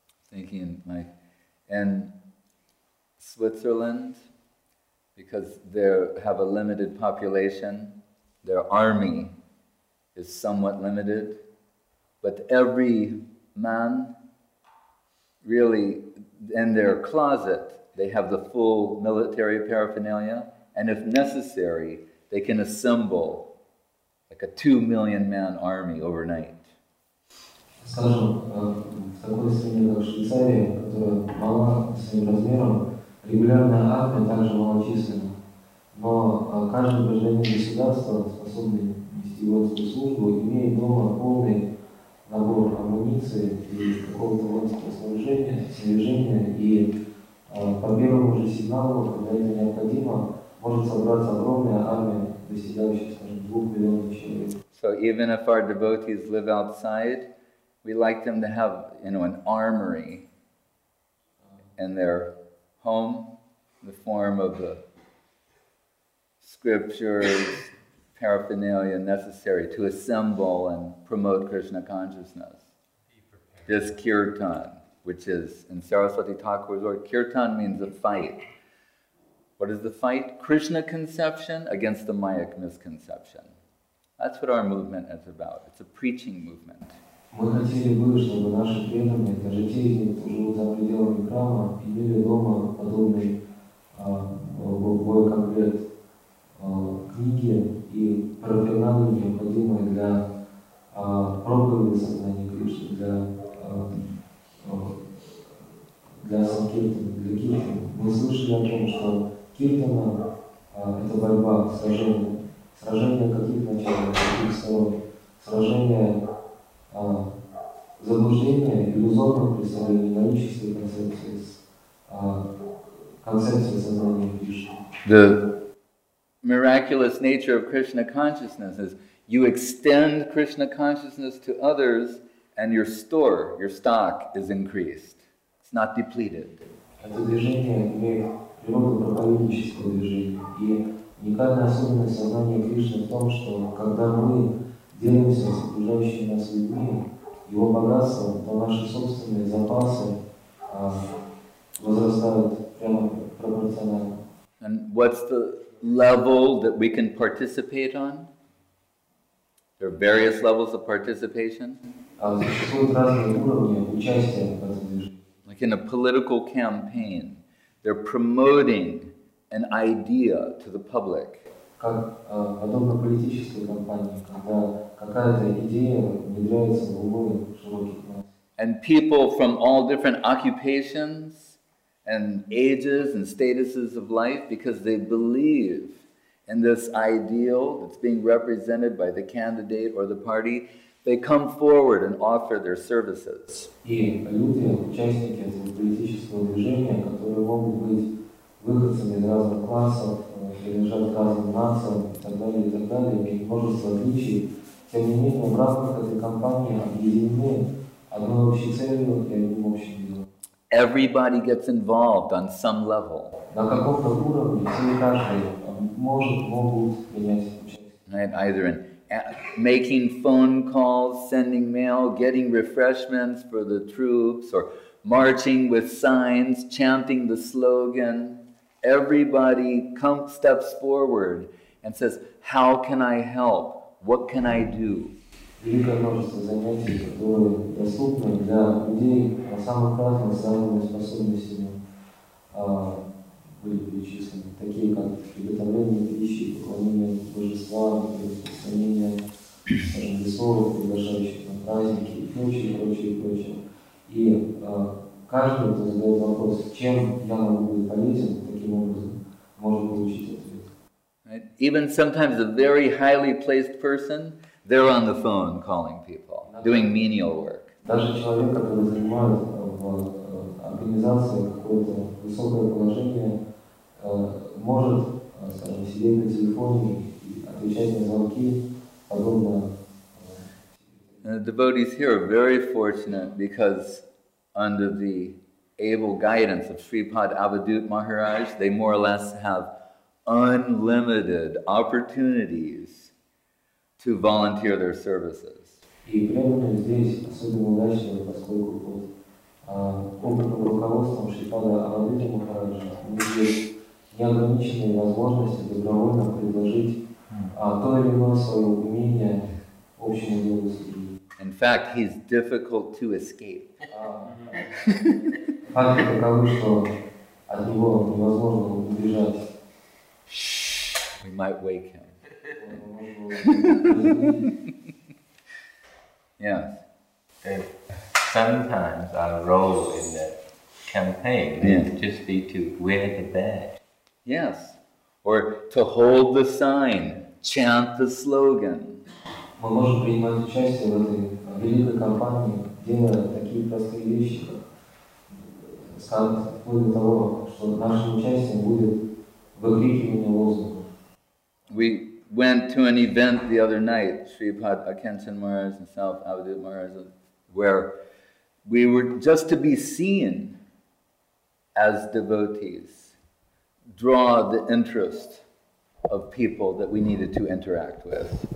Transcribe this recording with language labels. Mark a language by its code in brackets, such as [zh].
[en] Thinking like in Switzerland, because they have a limited population, their army is somewhat limited, but every man really in their closet, they have the full military paraphernalia, and if necessary, they can assemble like a 2 million man army overnight. [ru] Скажем, в такой стране, как Швейцария, которая мала своим размером, регулярная армия также малочисленна. Но каждый гражданин государства, способный вести воинскую службу, имеет дома полный набор амуниции и какого-то воинского снаряжения. И по первому же сигналу, когда это необходимо, может собраться огромная армия, достигающая, скажем, 2 миллионов человек. [en] So even if our devotees live outside, we like them to have, you know, an armory in their home, in the form of the scriptures, paraphernalia necessary to assemble and promote Krishna consciousness. This kirtan, which is in Saraswati Thakur's word, kirtan means a fight. What is the fight? Krishna conception against the mayic misconception. That's what our movement is about. It's a preaching movement. [ru] Мы хотели бы, чтобы наши преданные, даже те, кто живут за пределами храма, имели дома подобный боевой комплект книги и профессионалы, необходимые для проповеди сознания Кришны, для санкиртана, для киртана. Мы слышали о том, что киртана – это борьба, сражение каких начало, каких сторон, сражение заблуждение, иллюзорное представление, наличие концепции, концепции сознания Кришны. [en] The miraculous nature of Krishna consciousness is you extend Krishna consciousness to others and your store, your stock is increased. It's not depleted. [ru] Это движение имеет природу проповеднического движения. И уникальная особенность сознания Кришны в том, что когда мы делимся с окружающими нас людьми, его богатство, то наши собственные запасы возрастают прямо пропорционально. [en] And what's the level that we can participate on? There are various levels of participation. [ru] Существуют разные уровни участия в этом движении. [en] Like in a political campaign, they're promoting an idea to the public. [ru] Как подобно политической кампании, когда какая-то идея внедряется в умы широких масс. [en] And people from all different occupations and ages and statuses of life, because they believe in this ideal that's being represented by the candidate or the party, they come forward and offer their services. [ru] И люди, участники этого политического движения, которые могут быть выходцами из разных классов, принадлежат к разным нациям и так далее, и так далее, и может различить Тем не менее, в рамках этой компании объединены одной общей целью и одним общим делом. [en] Everybody gets involved on some level. [ru] На каком-то уровне все и каждый могут принять участие. [en] Either in making phone calls, sending mail, getting refreshments for the troops, or marching with signs, chanting the slogan. Everybody steps forward and says, how can I help? What can I do? [ru] Великое множество занятий, которые доступны для людей на самых разных, с разными способностями были перечислены, такие как приготовление пищи, поклонение божества, распространение весов, приглашающих на праздники и прочее, прочее, прочее. И каждый задает вопрос, чем я могу быть полезен, таким образом может получить ответ. [en] Even sometimes a very highly placed person, they're on the phone calling people, doing menial work. [ru] Даже человек, который занимает в организации какое-то высокое положение, может, скажем, сидеть на телефоне и отвечать на звонки, подобно. [en] The devotees here are very fortunate because under the able guidance of Sripad Avadhut Maharaj, they more or less have unlimited opportunities to volunteer their services. [ru] И преданные здесь особенно удачливы, поскольку под опытным руководством Шрипада Авадхута Махараджа у них есть неограниченные возможности добровольно предложить то или иное свое умение общему делу среди. [en] In fact, he's difficult to escape. [ru] Факт таков, что от него невозможно убежать. [en] We might wake him. Yes. And sometimes our role in the campaign would just be to wear the badge. Yes. Or to hold the sign, chant the slogan. [ru] Мы можем принимать участие в этой великой кампании, делая такие простые вещи, как вплоть до того, что нашим участием будет выкрикивание лозунгов. [en] Went to an event the other night, Sripad Akenshan Maharaj and Self Avadhut Maharaj, where we were just to be seen as devotees, draw the interest of people that we needed to interact with.